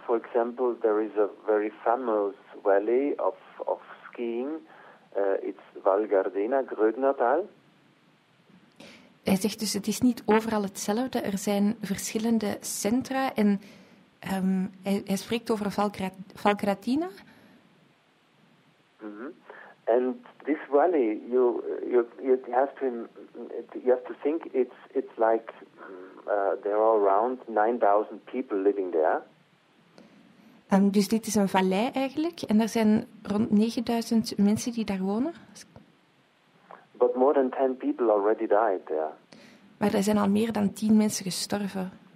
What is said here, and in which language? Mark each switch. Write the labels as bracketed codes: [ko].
[en] For example, there is a very famous valley of skiing. It's Val Gardena, Grödnertal. [nl] Hij zegt dus, het is niet overal hetzelfde. Er zijn verschillende centra en hij spreekt over Val Gardena. [en] And this valley, you have to think it's like there are around 9,000 people living there. [nl] Dus dit is een vallei eigenlijk en er zijn rond 9000 mensen die daar wonen? [en] But more than 10 people already died there. [nl] Maar er zijn al meer dan 10 mensen gestorven.